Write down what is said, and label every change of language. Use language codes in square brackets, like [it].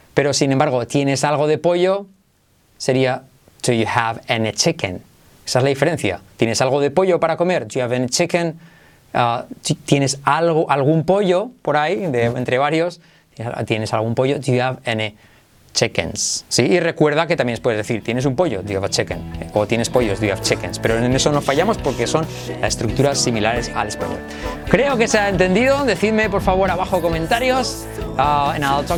[es] Pero, sin embargo, ¿tienes algo de pollo? Sería, [en] do you have any chicken? [es] Esa es la diferencia. ¿Tienes algo de pollo para comer? [en] Do you have any chicken? [es] ¿Tienes algún pollo por ahí, entre varios? ¿Tienes algún pollo? [en] Do you have any chickens? [es] ¿Sí? Y recuerda que también puedes decir, ¿tienes un pollo? [en] Do you have a chicken? [es] O ¿tienes pollos? [en] Do you have chickens? [es] Pero en eso no fallamos porque son estructuras similares al español. Creo que se ha entendido. Decidme, por favor, abajo comentarios. [en] And I'll talk to